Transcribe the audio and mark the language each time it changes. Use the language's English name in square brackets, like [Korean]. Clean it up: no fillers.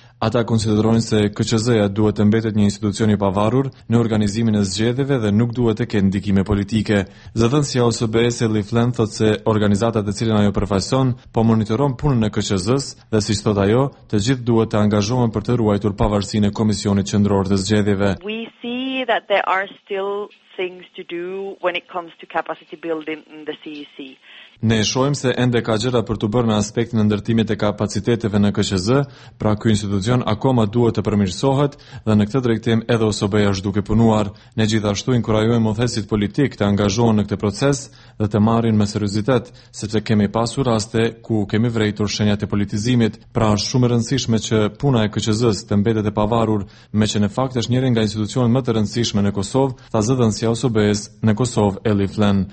[Albanian] Ata konsiderojnë se KQZ-ja duhet të mbetet një institucion i pavarur në organizimin e zgjedhjeve dhe nuk duhet të ketë ndikime politike. Zëdhënësja OSBE-së Eli Flen thotë se organizata të cilën ajo përfaqëson po monitoron punën e KQZ-s dhe siç thotë ajo, të gjithë duhet të angazhohen për të ruajtur pavarësinë e Komisionit Qendror të Zgjedhjeve. [English] We see that there are still things to do when it comes to capacity building in the CEC. [Albanian] Ne e shohim se ende ka gjëra për të bërë në aspektin e ndërtimit të kapaciteteve në KQZ, pra ky institucion akoma duhet të përmirësohet dhe në këtë drejtim edhe OSBE-ja është duke punuar. Ne gjithashtu inkurajojmë mothesit politik të angazhohen në këtë proces dhe të marrin me seriozitet, sepse kemi pasur raste ku kemi vrejtur shenjat e politizimit, pra është shumë e rëndësishme që puna e KQZ-s të mbetet e pavarur, me që në fakt është njëri nga institucionet më të rëndësishme në Kosovë, tha zëdhënësja OSBE-s në Kosovë Eli Flen.